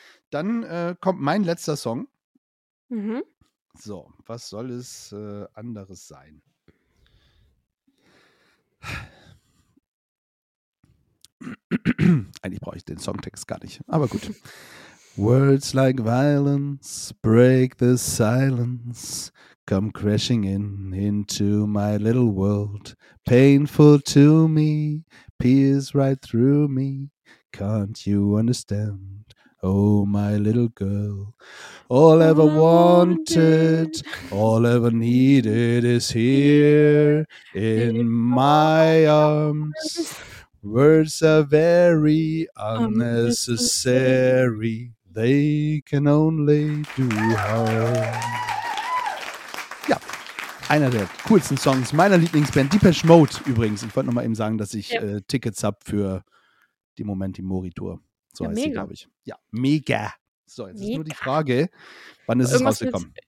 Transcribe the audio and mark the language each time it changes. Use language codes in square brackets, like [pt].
[de] Dann kommt mein letzter Song. Mhm. So, was soll es anderes sein? Ja. Eigentlich brauche ich den Songtext gar nicht, aber gut. [en] Words like violence break the silence. Come crashing in into my little world. Painful to me, pierce right through me. Can't you understand? Oh, my little girl. All ever wanted, all ever needed is here in my arms. Words are very unnecessary. They can only do harm. [de] Ja, einer der coolsten Songs meiner Lieblingsband, Depeche Mode übrigens. Ich wollte nochmal eben sagen, dass ich Tickets habe für die Momenti Mori Tour. So heißt sie, glaube ich. Ja, mega. So, jetzt ist nur die Frage, wann ist es rausgekommen?